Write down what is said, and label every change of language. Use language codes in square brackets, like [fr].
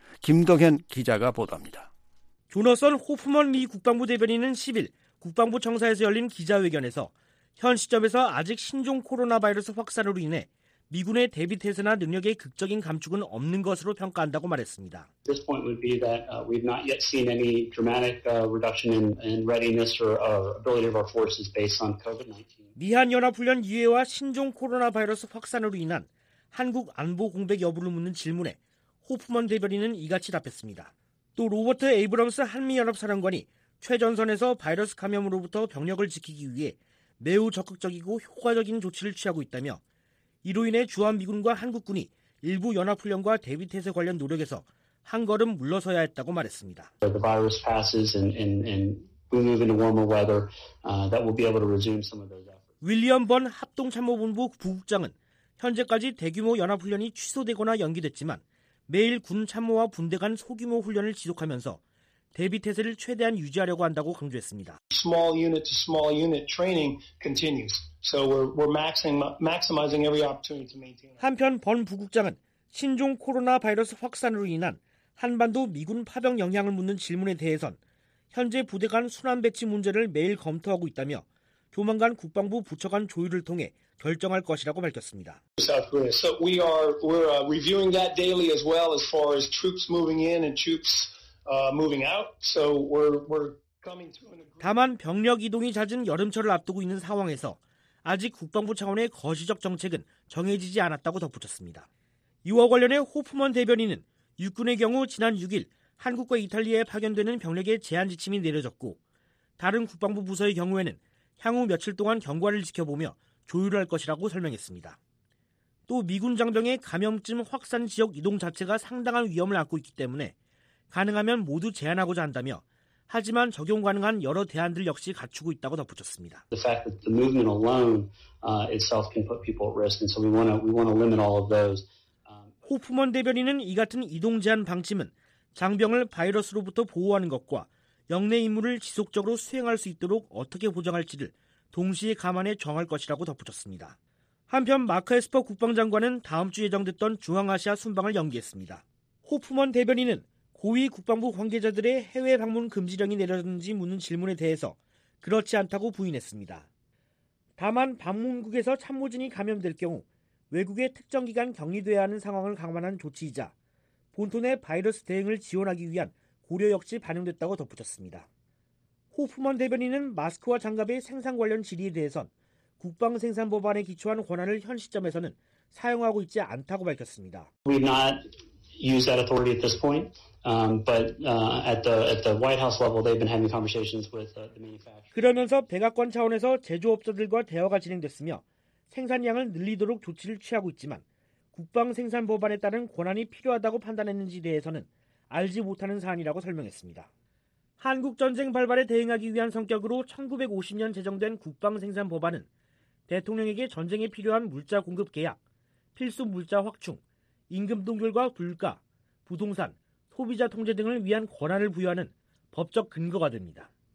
[ko] 김동현 기자가 보도합니다. 조너선 호프먼 미 국방부 대변인은 10일 국방부 청사에서 열린 기자회견에서 현 시점에서 아직 신종 코로나 바이러스 확산으로 인해 미군의 대비 태세나 능력의 극적인 감축은 없는 것으로 평가한다고 말했습니다. [en] This point would be that we've not yet seen any dramatic reduction in readiness or ability of our forces based on COVID-19. [ko] 미한연합훈련 유예와 신종 코로나 바이러스 확산으로 인한 한국 안보 공백 여부를 묻는 질문에 호프먼 대변인은 이같이 답했습니다. 또 로버트 에이브럼스 한미연합사령관이 최전선에서 바이러스 감염으로부터 병력을 지키기 위해 매우 적극적이고 효과적인 조치를 취하고 있다며 이로 인해 주한미군과 한국군이 일부 연합훈련과 대비태세 관련 노력에서 한 걸음 물러서야 했다고 말했습니다. [en] The virus passes and we move into warmer weather, that will be able to resume some of those efforts. [ko] 윌리엄 번 합동참모본부 부국장은 현재까지 대규모 연합훈련이 취소되거나 연기됐지만 매일 군참모와 분대 간 소규모 훈련을 지속하면서 대비태세를 최대한 유지하려고 한다고 강조했습니다. [en] Small unit to small unit training continues. So we're maximizing every opportunity to maintain. [ko] 한편 번 부국장은 신종 코로나 바이러스 확산으로 인한 한반도 미군 파병 영향을 묻는 질문에 대해선 현재 부대 간 순환 배치 문제를 매일 검토하고 있다며 조만간 국방부 부처 간 조율을 통해 결정할 것이라고 밝혔습니다. [en] South Korea. So we're reviewing that daily as well as far as troops moving in and troops moving out. So we're coming to an agreement. [ko] 다만 병력 이동이 잦은 여름철을 앞두고 있는 상황에서 아직 국방부 차원의 거시적 정책은 정해지지 않았다고 덧붙였습니다. 이와 관련해 호프먼 대변인은 육군의 경우 지난 6일 한국과 이탈리아에 파견되는 병력의 제한 지침이 내려졌고 다른 국방부 부서의 경우에는 향후 며칠 동안 경과를 지켜보며 조율할 것이라고 설명했습니다. 또 미군 장병의 감염증 확산 지역 이동 자체가 상당한 위험을 안고 있기 때문에 가능하면 모두 제한하고자 한다며 하지만 적용 가능한 여러 대안들 역시 갖추고 있다고 덧붙였습니다. [en] The fact that the movement alone itself can put people at risk, and so we want to limit all of those. [ko] 호프먼 대변인은 이 같은 이동 제한 방침은 장병을 바이러스로부터 보호하는 것과 역내 임무를 지속적으로 수행할 수 있도록 어떻게 보장할지를 동시에 감안해 정할 것이라고 덧붙였습니다. 한편 마크 에스퍼 국방장관은 다음 주 예정됐던 중앙아시아 순방을 연기했습니다. 호프먼 대변인은 고위 국방부 관계자들의 해외 방문 금지령이 내려졌는지 묻는 질문에 대해서 그렇지 않다고 부인했습니다. 다만 방문국에서 참모진이 감염될 경우 외국에 특정 기간 격리돼야 하는 상황을 강화한 조치이자 본토 내 바이러스 대응을 지원하기 위한 고려 역시 반영됐다고 덧붙였습니다. 호프먼 대변인은 마스크와 장갑의 생산 관련 질의에 대해선 국방 생산 법안에 기초한 권한을 현 시점에서는 사용하고 있지 않다고 밝혔습니다. [en] We've not used that authority at this point, but at the White House level, they've been having conversations with the manufacturers. [ko] 그러면서 백악관 차원에서 제조업자들과 대화가 진행됐으며 생산량을 늘리도록 조치를 취하고 있지만 국방 생산 법안에 따른 권한이 필요하다고 판단했는지 대해서는 알지 못하는 사안이라고 설명했습니다. 한국전쟁 발발에 대응하기 위한 성격으로 1950년 제정된 국방생산법안은 대통령에게 전쟁에 필요한 물자 공급 계약, 필수 물자 확충, 임금 동결과 물가, 부동산, 소비자 통제 등을 위한 권한을 부여하는 법적 근거가 됩니다.